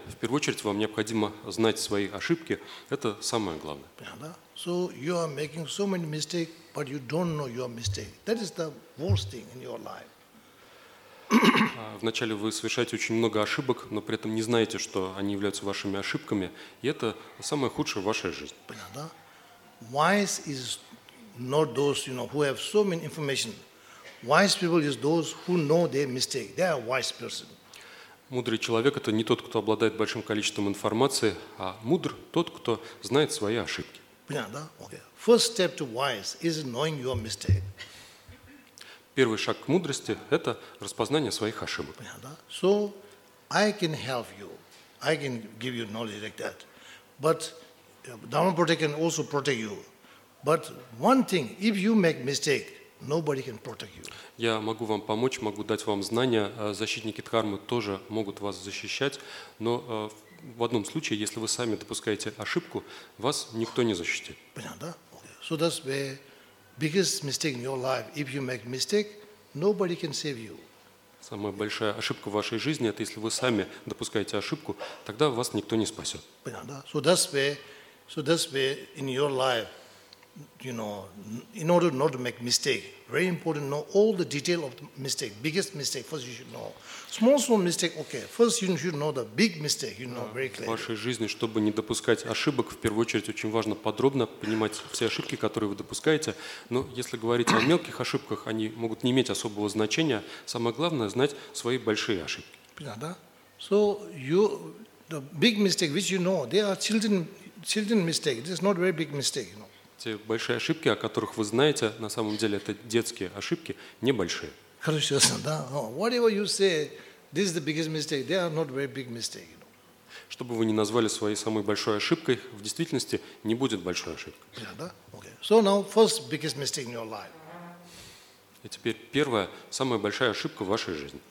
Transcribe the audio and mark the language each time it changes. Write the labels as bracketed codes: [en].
[ru] В первую очередь, вам необходимо знать свои ошибки. Это самое главное. [en] So you are making so many mistakes, but you don't know your mistake. That is the worst thing in your life. [ru] Вначале вы совершаете очень много ошибок, но при этом не знаете, что они являются вашими ошибками. И это самое худшее в вашей жизни. [en] Wise is not those, you know, who have so many information. Wise people is those who know their mistake. They are wise person. [ru] Мудрый человек – это не тот, кто обладает большим количеством информации, а мудр – тот, кто знает свои ошибки. Понятно? [en] Okay. First step to wise is knowing your mistake. [ru] Первый шаг к мудрости – это распознание своих ошибок. Понятно? [en] So, I can help you. I can give you knowledge like that. But Dharma Protect can also protect you. But one thing, if you make mistake, nobody can protect you. [ru] Я могу вам помочь, могу дать вам знания. Защитники Дхармы тоже могут вас защищать. Но в одном случае, если вы сами допускаете ошибку, вас никто не защитит. Понятно? [en] Okay. So that's the biggest mistake in your life. If you make mistake, nobody can save you. [ru] Самая большая ошибка в вашей жизни – это если вы сами допускаете ошибку, тогда вас никто не спасет. Понятно? [en] So that's the in your life, you know, in order not to make mistake, very important to know all the detail of the mistake, biggest mistake, first you should know. Small mistake, okay, first you should know the big mistake, you know, very clearly. [ru] В вашей жизни, чтобы не допускать ошибок, в первую очередь очень важно подробно понимать все ошибки, которые вы допускаете. Но если говорить о мелких ошибках, они могут не иметь особого значения. Самое главное – знать свои большие ошибки. Понятно? [en] So, you, the big mistake, which you know, they are children mistake. This is not very big mistake, you know. [ru] Те большие ошибки, о которых вы знаете, на самом деле это детские ошибки, небольшие. Хорошо, да. [en] Whatever you say, this is the biggest mistake. They are not very big mistake, you know. [ru] Чтобы вы не назвали своей самой большой ошибкой, в действительности не будет большой ошибки. Да. [en] Okay. So now first biggest mistake in your life. [ru] И теперь первая самая большая ошибка в вашей жизни.